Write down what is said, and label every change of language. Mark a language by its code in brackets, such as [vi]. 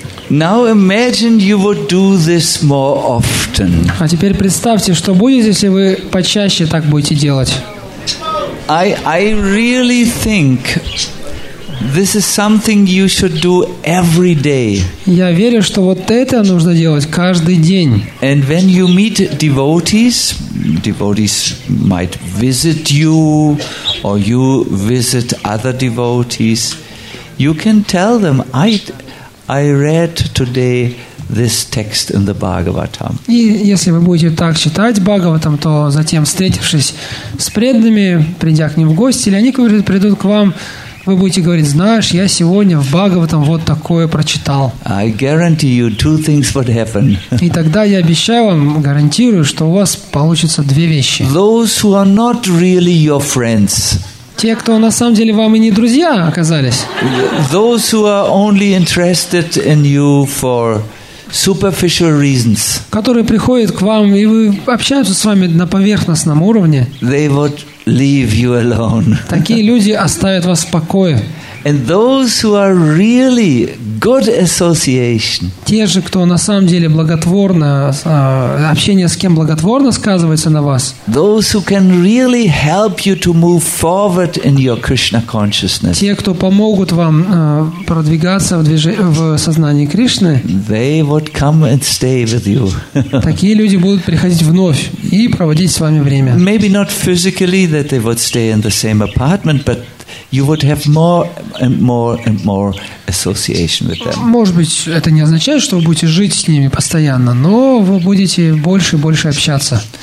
[en] Now imagine you would do this more often. [ru] А теперь представьте, что будет, если вы почаще так будете делать. [en] I really think this is something you should do every day. [ru] Я верю, что вот это нужно делать каждый день. [en] And when you meet devotees, devotees might visit you, or you visit other devotees. You can tell them, I read today this text in the Bhagavatam. [ru] И если вы будете так читать Бхагаватам, то затем, встретившись с преданными, придя к ним в гости, или они придут к вам, вы будете говорить, знаешь, я сегодня в Бхагаватам вот такое прочитал. [en] I guarantee you two things would happen. [ru] И тогда я обещаю вам, гарантирую, что у вас получится две вещи. [en] Those who are not really your friends. [ru] Те, кто на самом деле вам и не друзья оказались. [en] Those who are only interested in you for superficial reasons. [ru] Которые приходят к вам и вы общаются с вами на поверхностном уровне. [en] They would leave you alone. [ru] Такие люди оставят вас в покое. [en] And those who are really good association. [ru] Те же, кто на самом деле благотворно, общение с кем благотворно сказывается на вас. [en] Those who can really help you to move forward in your Krishna consciousness. [ru] Те, кто помогут вам продвигаться в сознании Кришны. [en] They would come and stay with you. [ru] Такие люди будут приходить вновь и проводить с вами время. [en] Maybe not physically that they would stay in the same apartment, but you would have more and more and more association with them. [ru] Может быть, это не означает, что вы будете жить с ними постоянно, но вы будете больше и больше общаться.